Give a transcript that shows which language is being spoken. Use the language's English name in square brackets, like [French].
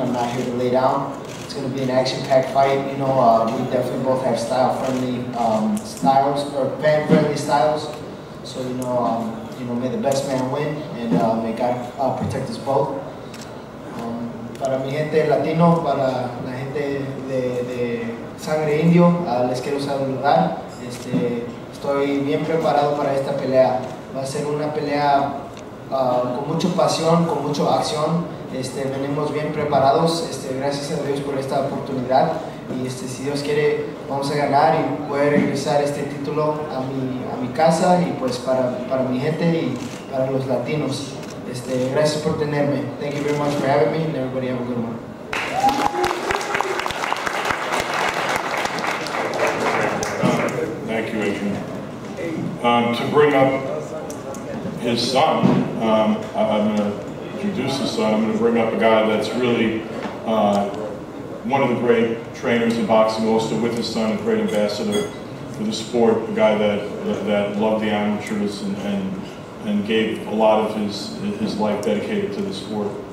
[English] I'm not here to lay down. It's going to be an action-packed fight. You know, we definitely both have fan-friendly styles. So, may the best man win, and may God protect us both. [Spanish] Para mi gente latino, para la gente de sangre indio, les quiero saludar. Estoy bien preparado para esta pelea. Va a ser una pelea con mucha pasión, con mucha acción. Venimos bien preparados, gracias a Dios por esta oportunidad, y si Dios quiere, vamos a ganar y poder regresar este título a mi casa, y pues para mi gente y para los latinos. Gracias por tenerme. [English] Thank you very much for having me, and everybody have a good one. Thank you, Adrian. To bring up his son, I'm going to bring up a guy that's really one of the great trainers in boxing, also with his son, a great ambassador for the sport, a guy that loved the amateurs and gave a lot of his life dedicated to the sport.